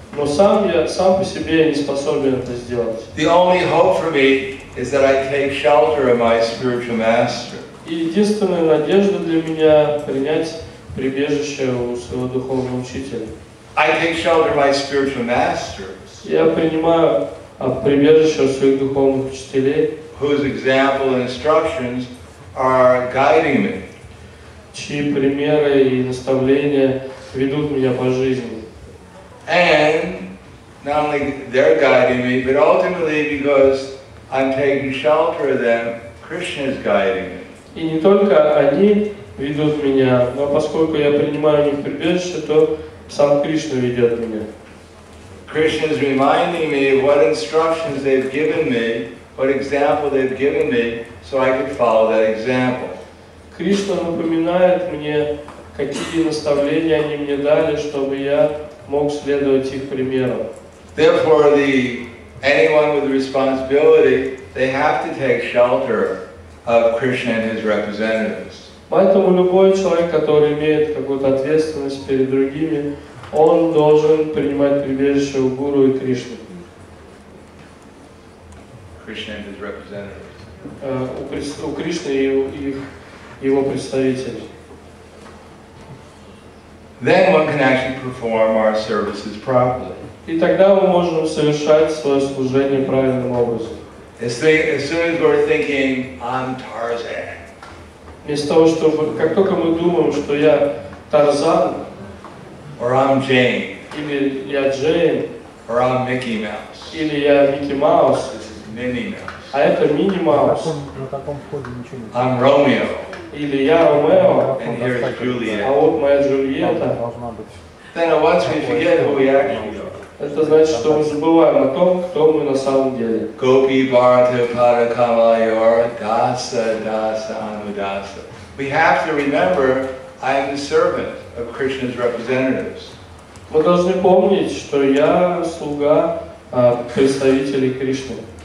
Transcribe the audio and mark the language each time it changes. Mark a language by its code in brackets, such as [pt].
[ru] Но сам по себе я не способен это сделать. [en] The only hope for me is that I take shelter of my spiritual master. [ru] И единственная надежда для меня принять прибежище у своего духовного учителя. [en] I take shelter of my spiritual master. [ru] Я принимаю прибежище у своих духовных учителей. [en] Whose example and instructions are guiding me. [ru] Чьи примеры и наставления ведут меня по жизни. [en] And not only they're guiding me, but ultimately because I'm taking shelter of them, Krishna is guiding me. [ru] И не только они ведут меня, но поскольку я принимаю у них прибежище, то сам Кришна ведет меня. [en] Krishna is reminding me what instructions they've given me, what example they've given me, so I could follow that example. [ru] Кришна напоминает мне, какие наставления они мне дали, чтобы я мог следовать их примеру. [en] Therefore, anyone with responsibility, they have to take shelter of Krishna and his representatives. [ru] Поэтому любой человек, который имеет какую-то ответственность перед другими, он должен принимать прибежище у Гуру и Кришны. [en] Krishna and his representatives. [ru] У Кришны и его представителей. [en] Then one can actually perform our services properly. [ru] И тогда мы можем совершать свое служение правильным образом. [en] As soon as we're thinking, I'm Tarzan. [ru] Вместо того, чтобы, как только мы думаем, что я Тарзан, [en] or I'm Jane, [ru] или я Джейн, [en] or I'm Mickey Mouse, [ru] или я Микки Маус, [en] this is Minnie Mouse, [ru] а это Минни Маус, [en] I'm Romeo, [ru] или я Ромео, [en] and here's Juliet, [ru] а вот моя Джульетта. [en] Then once we forget who we actually are, [ru] это значит, что мы забываем о том, кто мы на самом деле. [sa] Gopi Bharata Padakamalayor Dasa Dasa Anudasa. [en] We have to remember, I am the servant of Krishna's representatives. [ru] Мы должны помнить, что я слуга представителей Кришны.